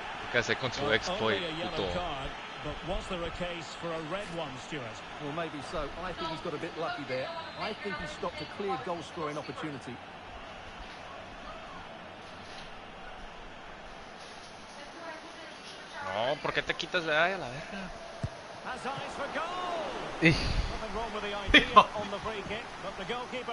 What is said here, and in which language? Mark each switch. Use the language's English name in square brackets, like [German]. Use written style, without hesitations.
[English] Because I can't do exploit. Only a yellow card, but was there a case for a red one, Stuart? Well, maybe so. I think he's got a bit lucky there. I think he stopped a clear goal scoring opportunity. [Spanish] No, ¿por qué te quitas de ahí a la verga? [English] Has eyes for goal! Nothing wrong with the idea on the free kick, but the goalkeeper.